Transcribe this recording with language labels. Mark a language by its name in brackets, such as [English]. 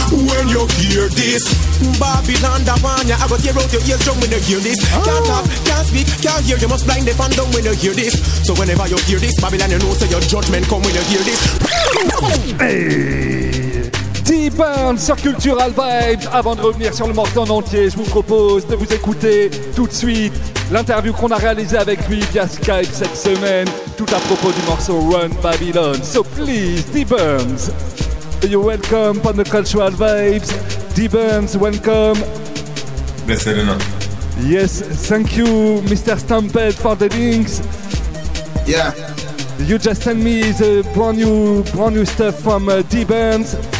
[English] When you hear this, Babylon, that one, yeah, I go tear out your ears drum when you hear this. Can't talk, can't speak, can't hear. You must blind deaf and dumb when you hear this. So whenever you hear this, Babylon, you know, so your judgment come when you hear this. [French] D-Burns sur Cultural Vibes. Avant de revenir sur le morceau en entier, je vous propose de vous écouter tout de suite l'interview qu'on a réalisée avec lui via Skype cette semaine, tout à propos du morceau Run Babylon. [English] So please, D-Burns, you're welcome on the Cultural Vibes. D-Burns, welcome. [French] Merci, Elena. [English] Yes, thank you, Mr. Stampede, for the links. Yeah. You just sent me the brand new stuff from D-Burns.